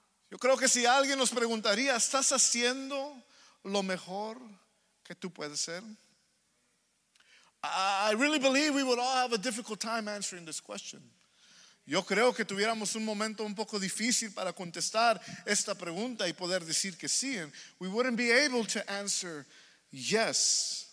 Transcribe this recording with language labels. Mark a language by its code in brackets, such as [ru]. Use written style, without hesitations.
[es] Yo creo que si alguien nos preguntaría, ¿estás haciendo lo mejor que tú puedes ser? [en] I really believe we would all have a difficult time answering this question. [es] Yo creo que tuviéramos un momento un poco difícil para contestar esta pregunta y poder decir que sí. [en] And we wouldn't be able to answer yes.